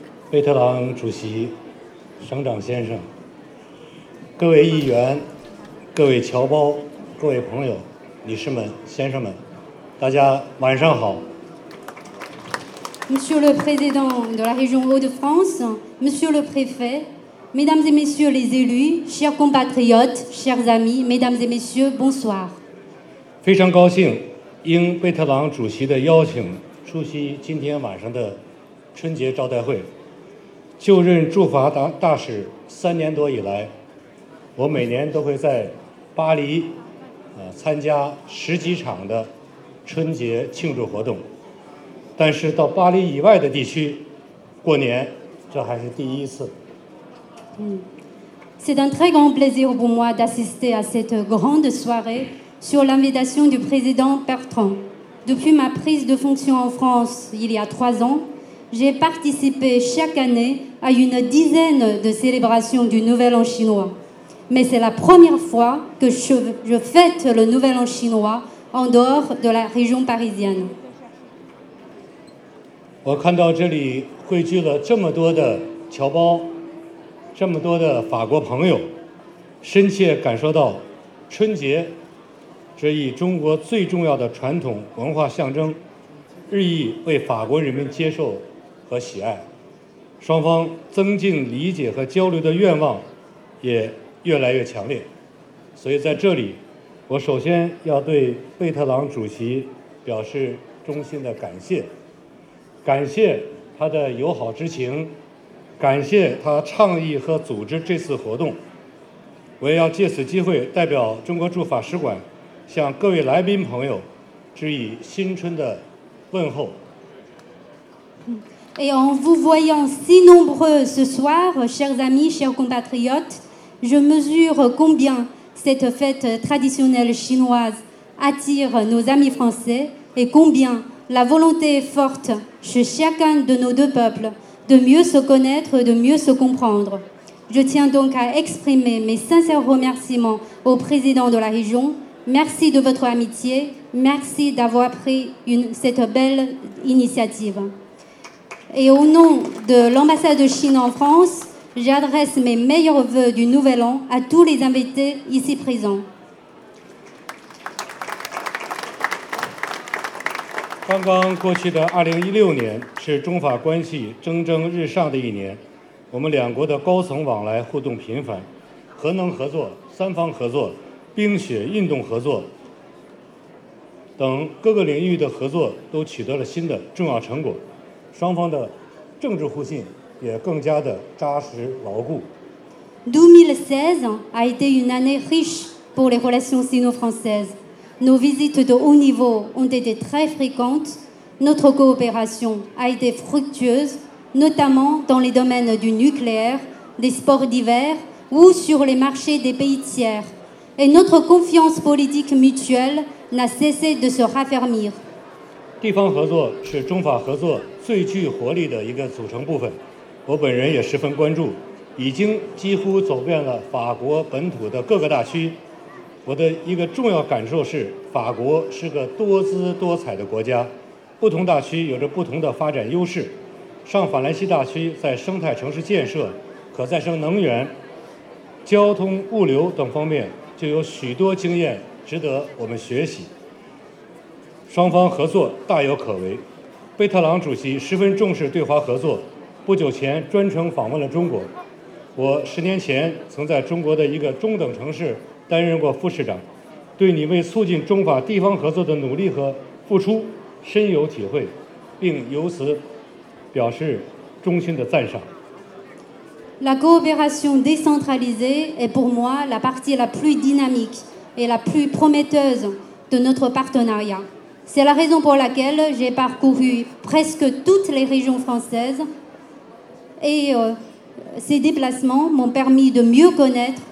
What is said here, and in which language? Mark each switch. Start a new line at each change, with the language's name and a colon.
French: Président du Président
Chinese: 省长先生，各位议员，各位侨胞，各位朋友，女士们、先生们，大家晚上好。
French: Monsieur le Président de la région Hauts-de-France, Monsieur le Préfet, Mesdames et Messieurs les élus, chers compatriotes, chers amis, Mesdames et Messieurs, bonsoir.
Chinese: 非常高兴，应贝特朗主席的邀请，出席今天晚上的春节招待会。就任驻法大使三年多以来，我每年都会在巴黎参加十几场的春节庆祝活动，但是到巴黎以外的地区过年，这还是第一次。
French: C'est un très grand plaisir pour moi d'assister à cette grande soirée sur l'invitation du président Bertrand. Depuis ma prise de fonction en France il y a 3 ans, j'ai participé chaque année à une dizaine de célébrations du Nouvel An chinois. Mais c'est la première fois que je fête le Nouvel An chinois en dehors de la région parisienne. Je vois ici que se réunissent tant de Chinois.
Chinese: 这么多的法国朋友，深切感受到春节这一中国最重要的传统文化象征日益为法国人民接受和喜爱，双方增进理解和交流的愿望也越来越强烈。所以在这里，我首先要对贝特朗主席表示衷心的感谢，感谢他的友好之情，感谢他倡议和组织这次活动。我也要借此机会代表中国驻法使馆向各位来宾朋友致以新春的问候。
French: Et en vous voyant si nombreux ce soir, chers amis, chers compatriotes, je mesure combien cette fête traditionnelle chinoise attire nos amis français et combien la volonté est forte chez chacun de nos deux peuples. De mieux se connaître et de mieux se comprendre. Je tiens donc à exprimer mes sincères remerciements au président de la région. Merci de votre amitié. Merci d'avoir pris cette belle initiative. Et au nom de l'ambassade de Chine en France, j'adresse mes meilleurs voeux du Nouvel An à tous les invités ici présents.
Chinese: 刚刚过去的2016年是中法关系蒸蒸日上的一年，我们两国的高层往来互动频繁，核能合作、三方合作、冰雪运动合作等各个领域的合作都取得了新的重要成果，双方的政治互信也更加的扎实牢固。
French: 2016 a été une année riche pour les relations sino-françaisesNos visites de haut niveau ont été très fréquentes. Notre coopération a été fructueuse, notamment dans les domaines du nucléaire, des sports d'hiver ou sur les marchés des pays tiers. Et notre confiance politique mutuelle n'a cessé de se raffermir.
Chinese: 地方合作是中法合作最具活力的一个组成部分。我本人也十分关注，已经几乎走遍了法国本土的各个大区。我的一个重要感受是，法国是个多姿多彩的国家，不同大区有着不同的发展优势。上法兰西大区在生态城市建设、可再生能源、交通物流等方面就有许多经验值得我们学习，双方合作大有可为。贝特朗主席十分重视对华合作，不久前专程访问了中国。我10年前曾在中国的一个中等城市担任过副市长，对你为促进中法地方合作的努力和付出深有体会，并由此表示衷心的赞赏。
French: La coopération décentralisée est pour moi la partie la plus dynamique et la plus prometteuse de notre partenariat. C'est la raison pour laquelle j'ai parcouru presque toutes les régions françaises et ces déplacements m'ont permis de mieux connaître.